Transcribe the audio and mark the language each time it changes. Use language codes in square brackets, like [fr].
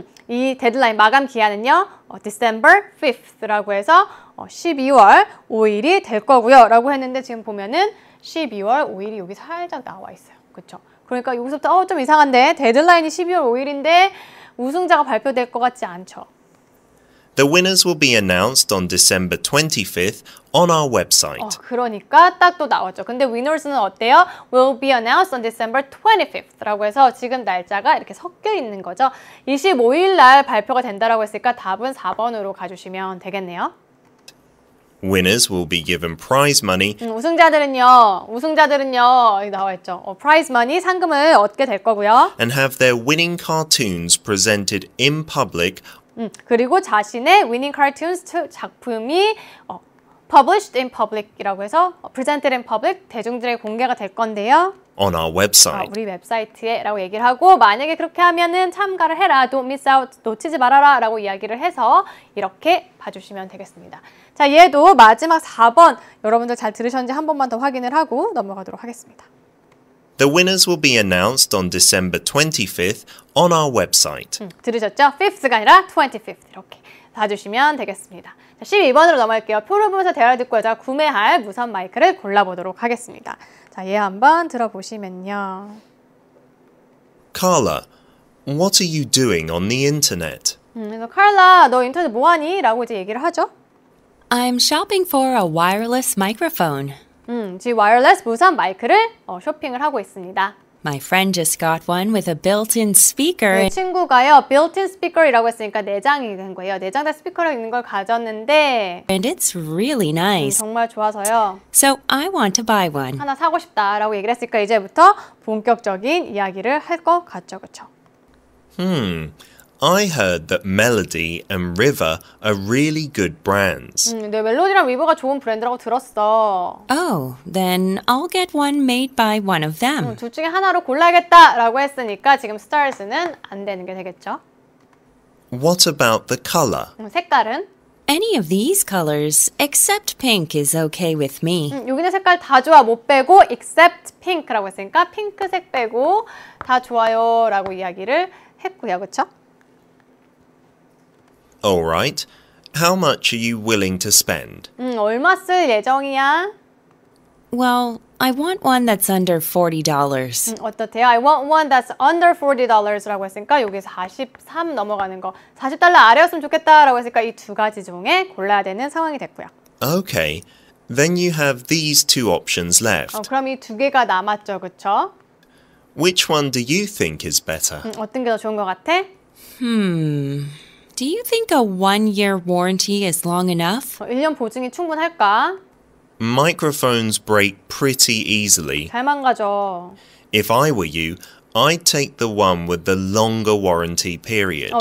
[ko] 이 데드라인 마감 기한은요 December 5th라고 해서 12월 5일이 될 거고요 라고 했는데 지금 보면은 12월 5일이 여기 살짝 나와 있어요. 그쵸? 그러니까 여기서부터 좀 이상한데 데드라인이 12월 5일인데 우승자가 발표될 것 같지 않죠. [en] The winners will be announced on December 25th on our website. [ko] 그러니까 딱 또 나왔죠. 근데 winners는 어때요? [en] Will be announced on December 25th [ko] 라고 해서 지금 날짜가 이렇게 섞여 있는 거죠. 25일 날 발표가 된다라고 했으니까 답은 4번으로 가주시면 되겠네요. [en] Winners will be given prize money. [ko] 우승자들은요, 여기 나와있죠. Prize money, 상금을 얻게 될 거고요. [en] And have their winning cartoons presented in public. [ko] 그리고 자신의 winning cartoons 작품이 [en] published in public [ko] 이라고 해서 [en] presented in public [ko] 대중들에게 공개가 될 건데요. [en] On our website. [ko] 우리 웹사이트에라고 얘기를 하고 만약에 그렇게 하면은 참가를 해라. [en] Don't miss out. [ko] 놓치지 말아라라고 이야기를 해서 이렇게 봐주시면 되겠습니다. 자, 얘도 마지막 4번 여러분들 잘 들으셨는지 한 번만 더 확인을 하고 넘어가도록 하겠습니다. [en] The winners will be announced on December 25th on our website. [ko] 들으셨죠? 5th가 아니라 25th 이렇게 봐주시면 되겠습니다. 자, 12번으로 넘어갈게요. 표를 보면서 대화를 듣고 여자가 구매할 무선 마이크를 골라보도록 하겠습니다. 자, 얘 한번 들어보시면요. [en] Carla, what are you doing on the internet? [ko] 카를라, 너 인터넷 뭐하니? 라고 이제 얘기를 하죠. [en] I'm shopping for a wireless microphone. [ko] 지금 와이어리스 무선 마이크를 쇼핑을 하고 있습니다. [en] My friend just got one with a built-in speaker. [ko] 내 친구가요, built-in speaker이라고 했으니까 내장이 된 거예요. 내장된 스피커로 있는 걸 가졌는데 [en] And it's really nice. [ko] 정말 좋아서요. [en] So I want to buy one. [ko] 하나 사고 싶다라고 얘기를 했으니까 이제부터 본격적인 이야기를 할 것 같죠, 그렇죠? Hmm. [en] I heard that Melody and River are really good brands. [ko] 네, 멜로디랑 리버가 좋은 브랜드라고 들었어. [en] Oh, then I'll get one made by one of them. [ko] 둘 중에 하나로 골라야겠다라고 했으니까 지금 스타일스는 안 되는 게 되겠죠. [en] What about the color? [ko] 색깔은? [en] Any of these colors except pink is okay with me. [ko] 여기는 색깔 다 좋아 못 빼고 [en] except pink [ko] 라고 했으니까 핑크색 빼고 다 좋아요라고 이야기를 했고요, 그렇죠? [en] All right. How much are you willing to spend? [ko] 얼마 쓸 예정이야? [en] Well, I want one that's under $40. [ko] 어떻대요? [en] I want one that's under $40 [ko] 라고 했으니까 여기 43 넘어가는 거. 40달러 아래였으면 좋겠다라고 했으니까 이 두 가지 중에 골라야 되는 상황이 됐고요. [en] Okay. Then you have these two options left. [ko] 그럼 이 두 개가 남았죠, 그쵸? [en] Which one do you think is better? [ko] 어떤 게 더 좋은 거 같아? [en] Do you think a one-year warranty is long enough? [ko] 1년 보증이 충분할까? [en] Microphones break pretty easily. [ko] 잘 망가져. [en] If I were you, I'd take the one with the longer warranty period.